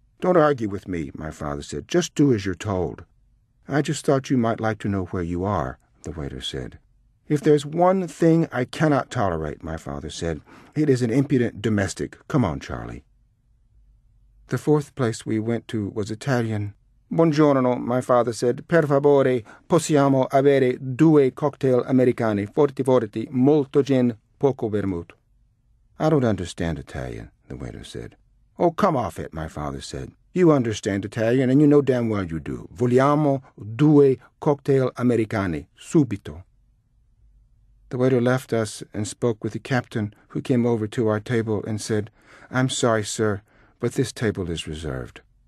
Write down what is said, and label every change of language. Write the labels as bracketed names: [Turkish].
[English] "Don't argue with me," my father said. "Just do as you're told." "I just thought you might like to know where you are," the waiter said. "If there's one thing I cannot tolerate," my father said, "it is an impudent domestic. Come on, Charlie." The fourth place we went to was Italian. "Buongiorno," my father said. [Italian] "Per favore, possiamo avere due cocktail americani, forti forti, molto gin, poco vermouth." [English] "I don't understand Italian," the waiter said. "Oh, come off it," my father said. "You understand Italian, and you know damn well you do. [Italian] Vogliamo due cocktail americani, subito." [English] The waiter left us and spoke with the captain, who came over to our table and said, "I'm sorry, sir, but this table is reserved."